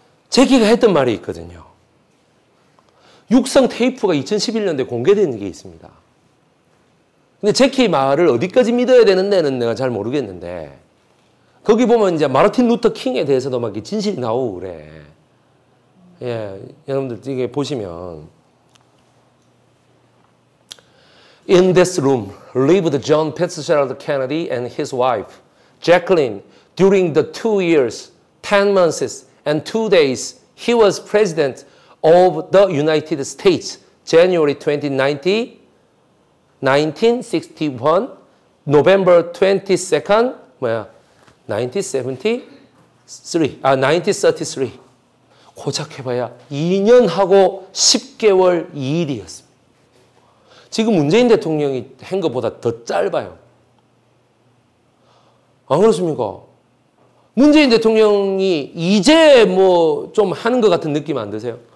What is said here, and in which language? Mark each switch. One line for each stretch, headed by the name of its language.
Korean: 제키가 했던 말이 있거든요. 육성 테이프가 2011년도에 공개된 게 있습니다. 근데 제키의 말을 어디까지 믿어야 되는지는 내가 잘 모르겠는데, 거기 보면 이제 마르틴 루터 킹에 대해서도 막 진실이 나오고 그래. 예, 여러분들 이게 보시면.
English: In this room lived John Fitzgerald Kennedy and his wife, Jacqueline, during the 2 years, 10 months, and 2 days he was president of the United States, January 1961, November 22, 1933.
Korean: 고작 해봐야 2년하고 10개월 2일이었습니다. 지금 문재인 대통령이 한 것보다 더 짧아요. 안 그렇습니까? 문재인 대통령이 이제 뭐 좀 하는 것 같은 느낌 안 드세요?